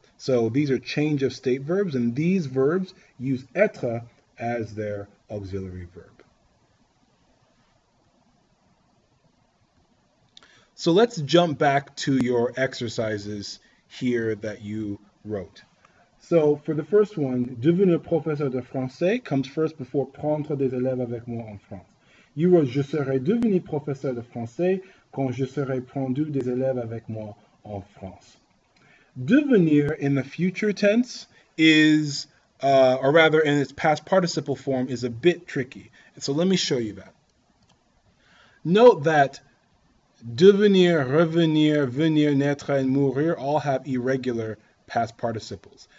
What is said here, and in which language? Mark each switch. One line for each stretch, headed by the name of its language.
English: So these are change of state verbs, and these verbs use être as their auxiliary verb. So let's jump back to your exercises here that you wrote. So for the first one,
French: devenir professeur de français
English: comes first before
French: prendre des élèves avec moi en France.
English: You wrote,
French: je serai devenu professeur de français quand je serai pendu des élèves avec moi en France.
English: Devenir in the future tense is, or rather in its past participle form, is a bit tricky. So let me show you that. Note that devenir, revenir, venir, naître, and mourir all have irregular past participles.